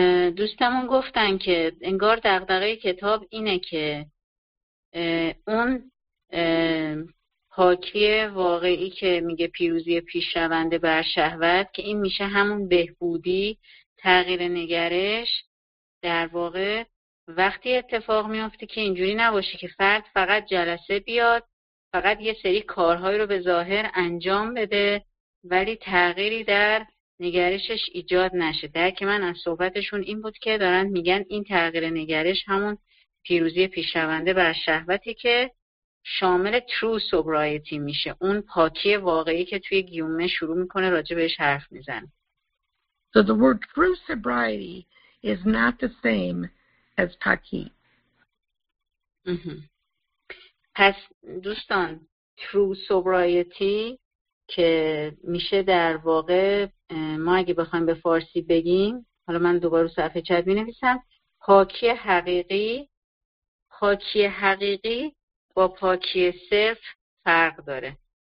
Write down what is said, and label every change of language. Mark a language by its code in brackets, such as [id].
[fa] دوستمون گفتن که انگار دغدغه کتاب اینه که اون پاکی واقعی که میگه پیروزی پیشرونده بر شهوت که این میشه همون بهبودی، تغییر نگرش در واقع وقتی اتفاق میفته که اینجوری نباشه که فرد فقط جلسه بیاد فقط یه سری کارهایی رو به ظاهر انجام بده ولی تغییری در نگرشش ایجاد نشه. درک من از صحبتشون این بود که دارن میگن این تغییر نگرش همون پیروزی پیشرونده بر شهوتی که شامل true sobriety میشه، اون پاکی واقعی که توی گیومه شروع میکنه راجع بهش حرف میزن. [en] So the word true sobriety is not the same as paki. [fa] پس دوستان true sobriety که میشه در واقع ما اگه بخوایم به فارسی بگیم، حالا من دوباره صفحه چت مینویسم، پاکی حقیقی با پاکی صرف فرق داره.